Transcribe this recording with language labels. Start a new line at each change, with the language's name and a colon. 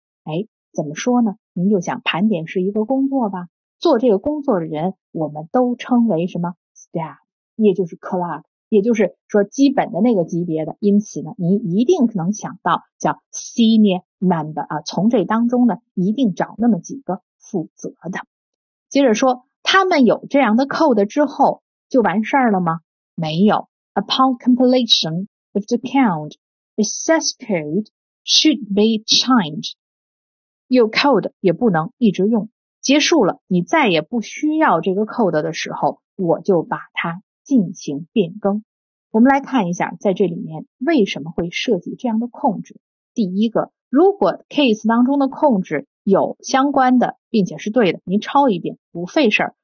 Chinese: 哎，怎么说呢？您就想盘点是一个工作吧，做这个工作的人我们都称为什么 staff, 也就是 clerk, 也就是说基本的那个级别的，因此呢您一定可能想到叫 senior member 啊，从这当中呢一定找那么几个负责的。接着说，他们有这样的 code 之后就完事儿了吗？没有。
English: Upon completion of the count, the set code should be changed.
Chinese: 有 code 也不能一直用。结束了，你再也不需要这个 code 的时候，我就把它进行变更。我们来看一下在这里面为什么会设计这样的控制。第一个，如果 case 当中的控制有相关的并且是对的，您抄一遍不费事儿。